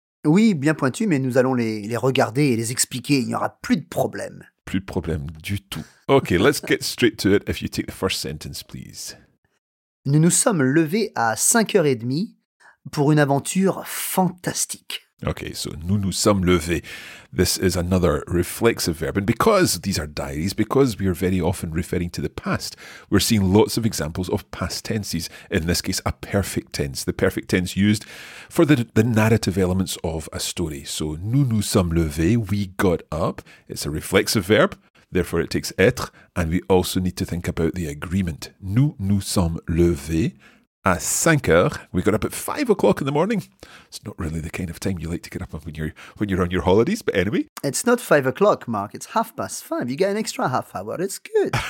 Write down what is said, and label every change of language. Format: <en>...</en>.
<fr>Oui, bien pointues, mais nous allons les regarder et les expliquer. Il n'y aura plus de problème. Plus de problème du tout.</fr> <en>Okay, let's get straight to it if you take the first sentence, please.</en> <fr>nous nous sommes levés à 5h30 pour une aventure fantastique.</fr> <en>Okay, so</en> <fr>nous nous sommes levés.</fr> <en>This is another reflexive verb. And because these are diaries, because we are very often referring to the past, we're seeing lots of examples of past tenses. In this case, a perfect tense. The perfect tense used for the narrative elements of a story. So</en> <fr>nous nous sommes levés,</fr> <en>we got up. It's a reflexive verb. Therefore, it takes être. And we also need to think about the agreement.</en> <fr>Nous nous sommes levés. À 5 heures,</fr> <en>we got up at 5 o'clock in the morning. It's not really the kind of time you like to get up when you're on your holidays, but anyway. It's not 5 o'clock, Mark. It's 5:30. You get an extra half hour. It's good.</en>